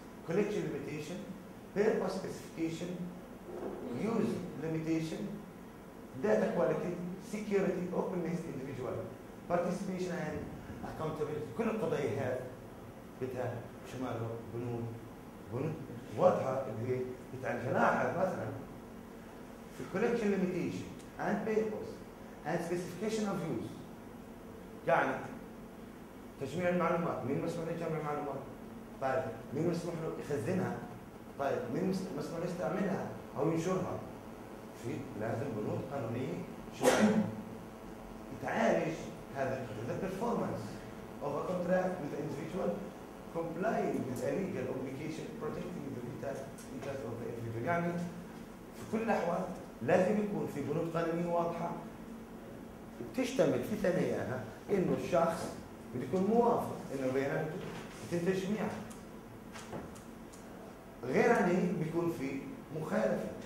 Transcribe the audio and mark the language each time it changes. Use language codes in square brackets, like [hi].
[en] Collection limitation, purpose specification, use limitation, data quality, security, openness individual, participation and accountability. [ar] كل القضايا هذه بدها شو معنى بنود واضحه اللي هي بتعالج. لاحظ مثلا في [en] الكولكشن limitation and purpose and specification of use. [ar] يعني تجميع المعلومات، مين مسموح له يجمع المعلومات؟ طيب مين مسموح له يخزنها؟ طيب مين مسموح له يستعملها او ينشرها؟ في لازم بنود قانونيه شرعيه يتعالج هذا. [en] The performance of a contract with the individual complying with a legal obligation protecting the interest of the individual. [ar] يعني في كل الاحوال لازم يكون في بنود قانونية واضحة بتشتمل في ثنائها إنه الشخص بده يكون موافق إنه البيانات بتتم تجميعها، غير عن هيك بيكون في مخالفة.